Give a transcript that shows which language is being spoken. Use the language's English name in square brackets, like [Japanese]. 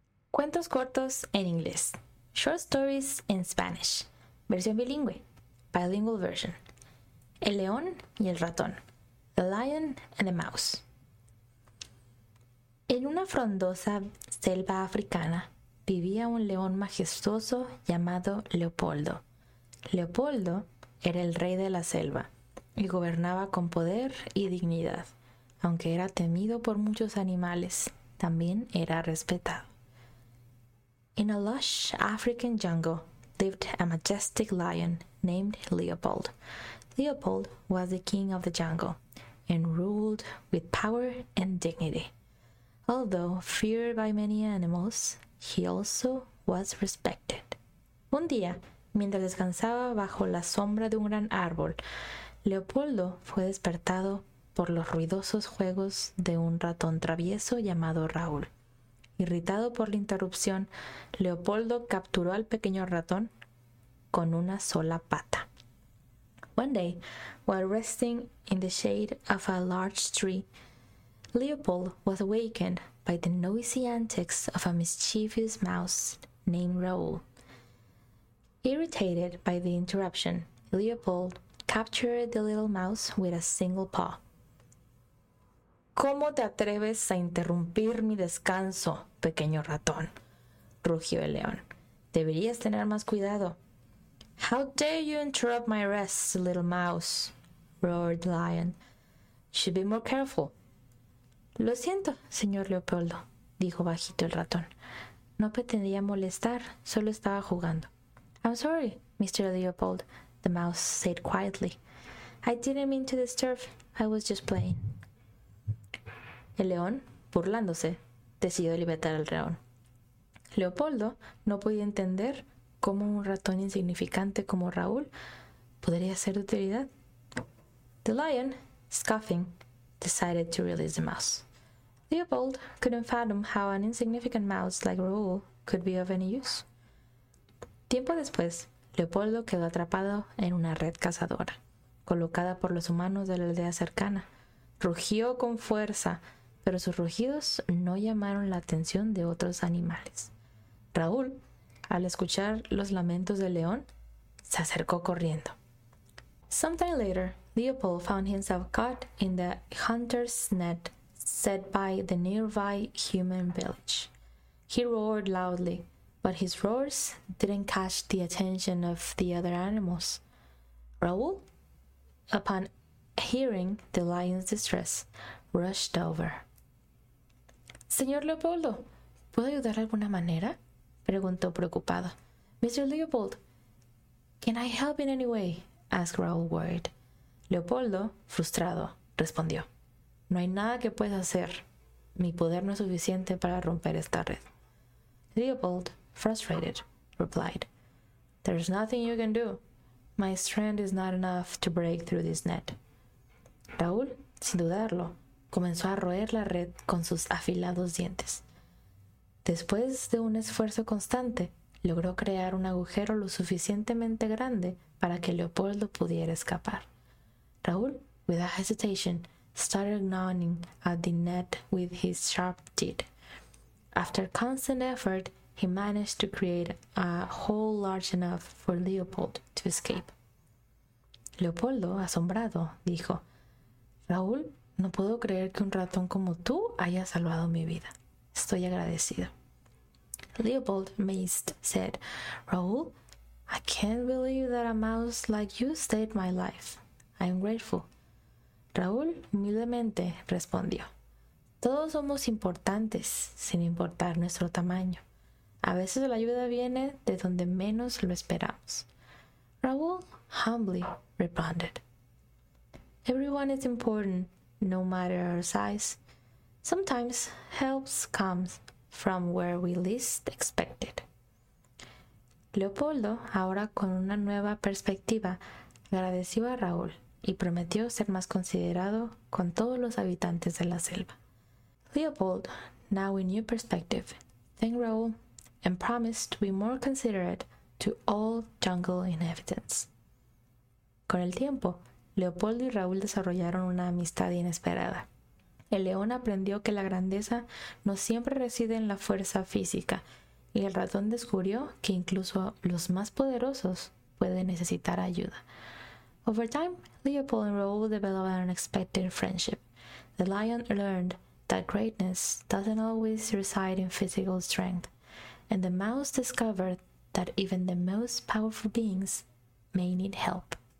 [Spanish] Cuentos cortos en inglés. [English] Short stories in Spanish. [Spanish] Versión bilingüe. [English] Bilingual version. [Spanish] El león y el ratón. [English] The lion and the mouse. [Spanish] En una frondosa selva africana vivía un león majestuoso llamado Leopoldo. Leopoldo era el rey de la selva. Y gobernaba con poder y dignidad. Aunque era temido por muchos animales, también era respetado. [English] In a lush African jungle lived a majestic lion named Leopold. Leopold was the king of the jungle and ruled with power and dignity. Although feared by many animals, he also was respected. [Spanish] Un día, mientras descansaba bajo la sombra de un gran árbol, Leopoldo fue despertado por los ruidosos juegos de un ratón travieso llamado Raúl. Irritado por la interrupción, Leopoldo capturó al pequeño ratón con una sola pata. [English] One day, while resting in the shade of a large tree, Leopold was awakened by the noisy antics of a mischievous mouse named Raúl. Irritated by the interruption, Leopold captured the little mouse with a single paw. [Spanish] ¿Cómo te atreves a interrumpir mi descanso, pequeño ratón? Rugió el león. Deberías tener más cuidado. [English] How dare you interrupt my rest, little mouse? Roared the lion. Should be more careful. [Spanish] Lo siento, señor Leopoldo, dijo bajito el ratón. No pretendía molestar, solo estaba jugando. [English] I'm sorry, Mr. Leopold. The mouse said quietly. I didn't mean to disturb. I was just playing. [Spanish] El león, burlándose, decidió libertar al ratón. Leopoldo no podía entender cómo un ratón insignificante como Raúl podría ser de utilidad. [English] The lion, scoffing, decided to release the mouse. Leopold couldn't fathom how an insignificant mouse like Raúl could be of any use. [Spanish] Tiempo después, Leopoldo quedó atrapado en una red cazadora, colocada por los humanos de la aldea cercana. Rugió con fuerza, pero sus rugidos no llamaron la atención de otros animales. Raúl, al escuchar los lamentos del león, se acercó corriendo. [English] Sometime later, Leopold found himself caught in the hunter's net set by the nearby human village. He roared loudly, but his roars didn't catch the attention of the other animals. Raúl, upon hearing the lion's distress, rushed over. [Spanish] Señor Leopoldo, ¿puedo ayudar de alguna manera? Preguntó preocupado. [English] Mr. Leopold, can I help in any way? Asked Raúl worried. [Spanish] Leopoldo, frustrado, respondió. No hay nada que pueda hacer. Mi poder no es suficiente para romper esta red. [English] Leopold, frustrated, replied. There's nothing you can do. My strength is not enough to break through this net. [Spanish] Raúl, sin dudarlo, comenzó a roer la red con sus afilados dientes. Después de un esfuerzo constante, logró crear un agujero lo suficientemente grande para que Leopoldo pudiera escapar. [English] Raúl, without hesitation, started gnawing at the net with his sharp teeth. After constant effort, he managed to create a hole large enough for Leopold to escape. [Spanish] Leopoldo, asombrado, dijo, Raúl, no puedo creer que un ratón como tú haya salvado mi vida. Estoy agradecido. [English] Leopold, amazed, said, Raúl, I can't believe that a mouse like you saved my life. I am grateful. [Spanish] Raúl, humildemente, respondió, todos somos importantes, sin importar nuestro tamaño. A veces la ayuda viene de donde menos lo esperamos. [English] Raúl humbly responded. Everyone is important, no matter our size. Sometimes help comes from where we least expect it. [Spanish] Leopoldo, ahora con una nueva perspectiva, agradeció a Raúl y prometió ser más considerado con todos los habitantes de la selva. [English] Leopold, now in new perspective, thanked Raúl and promised to be more considerate to all jungle inhabitants. [Spanish] Con el tiempo, Leopoldo y Raúl desarrollaron una amistad inesperada. El león aprendió que la grandeza no siempre reside en la fuerza física, y el ratón descubrió que incluso los más poderosos pueden necesitar ayuda. [English] Over time, Leopold and Raúl developed an unexpected friendship. The lion learned that greatness doesn't always reside in physical strength, and the mouse discovered that even the most powerful beings may need help.